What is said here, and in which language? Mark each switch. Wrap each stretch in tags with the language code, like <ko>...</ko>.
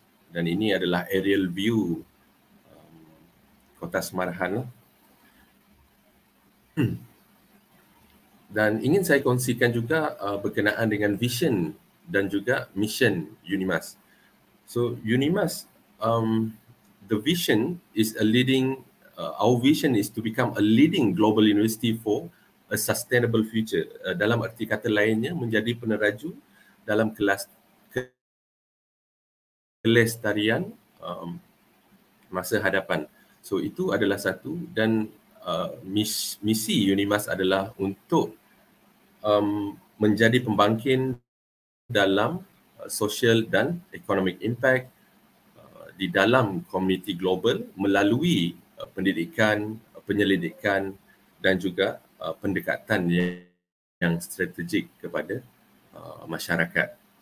<ms>Dan ini adalah aerial view Kota Semarahan lah. Dan ingin saya kongsikan juga berkenaan dengan vision dan juga mission Unimas.</ms> <en>So Unimas, the vision is a leading, our vision is to become a leading global university for a sustainable future.</en> <ms>Dalam erti kata lainnya, menjadi peneraju dalam kelestarian masa hadapan. So itu adalah satu. Dan misi Unimas adalah untuk menjadi pembangkit dalam social dan economic impact di dalam komuniti global melalui pendidikan, penyelidikan dan juga pendekatan yang strategik kepada masyarakat.</ms>